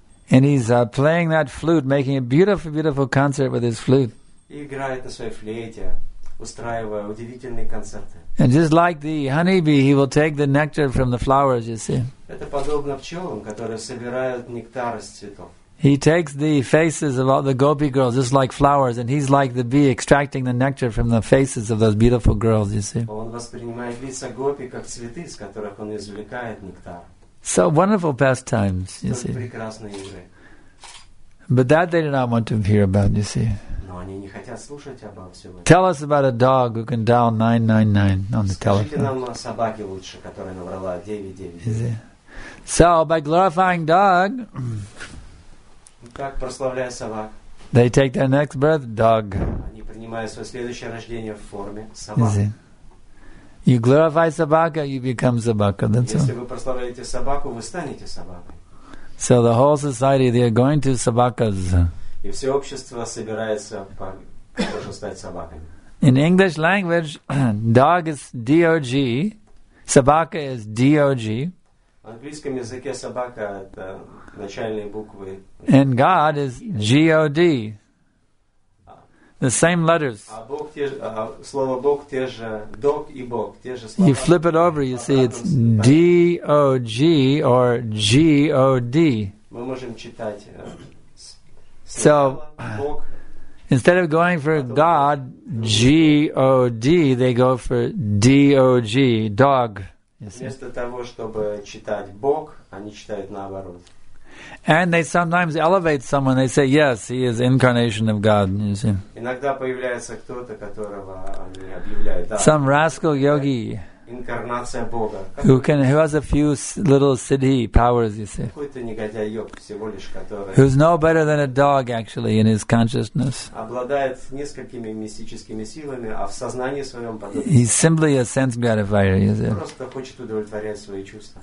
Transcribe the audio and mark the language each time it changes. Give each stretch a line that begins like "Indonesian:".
English: And he's playing that flute, making a beautiful, beautiful concert with his flute. And just like the honeybee, he will take the nectar from the flowers, you see.
Russian: Это подобно пчелам, которые собирают нектар из цветов.
English: He takes the faces of all the gopi girls just like flowers, and he's like the bee extracting the nectar from the faces of those beautiful girls, you see.
Russian: Он воспринимает лица гопи как цветы, из которых он извлекает нектар.
English: So wonderful pastimes, you see.
Russian: Прекрасные игры.
English: But that they do not want to hear about, you see.
Russian: Но они не хотят слушать обо всем.
English: Tell us about a dog who can dial 999 on the telephone.
Russian: Скажите нам о собаке лучше, которая набрала 999.
English: So by glorifying dog,
Russian: как прославляя собак,
English: they take their next breath, dog.
Russian: Они принимают свое следующее рождение в форме собак.
English: You glorify собака, you become собака.
Russian: Если вы прославляете собаку, вы станете собакой.
English: So the whole society, they are going to собакас.
Russian: И все общество собирается, чтобы стать собаками.
English: In English language, dog is D-O-G, собака is D-O-G.
Russian: В английском языке собака – это начальные буквы.
English: And God is G-O-D. The same letters.
Russian: А Бог те же, слово Бог те же, dog и Бог, те же слова.
English: You flip it over, you see, it's D-O-G or G-O-D.
Russian: Мы можем читать.
English: So, instead of going for God, G-O-D, they go for D-O-G, dog.
Russian: Вместо того, чтобы читать Бог, они читают наоборот.
English: And they sometimes elevate someone. They say, yes, he is incarnation of God. You see.
Russian: Иногда появляется кто-то, которого они объявляют. Да,
English: some rascal yogi.
Russian: Инкарнация Бога.
English: Who has a few little siddhi powers, you see.
Russian: Какой-то негодяй йог, всего лишь который.
English: Who's no better than a dog, actually, in his consciousness.
Russian: Обладает несколькими мистическими силами, а в сознании своем подобно.
English: He's simply a sense gratifier, you see.
Russian: Просто хочет удовлетворять свои чувства.